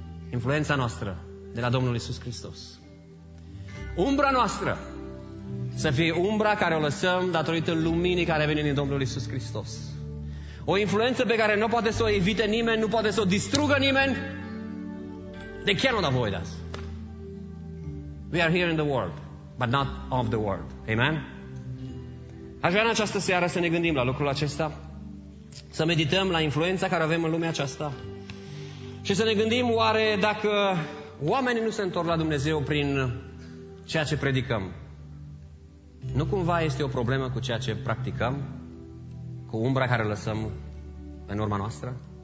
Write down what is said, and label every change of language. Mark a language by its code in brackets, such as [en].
[ro] Influența noastră de la Domnul Iisus Hristos. Umbra noastră să fie umbra care o lăsăm datorită luminii care vine din Domnul Iisus Hristos. O influență pe care nu poate să o evite nimeni, nu poate să o distrugă nimeni. [en] They cannot avoid us. We are here in the world, but not of the world. Amen? [ro] Aș vrea în această seară să ne gândim la lucrul acesta, să medităm la influența care avem în lumea aceasta și să ne gândim oare dacă oamenii nu se întorc la Dumnezeu prin ceea ce predicăm. Nu cumva este o problemă cu ceea ce practicăm? Cu umbra care lăsăm în urma noastră?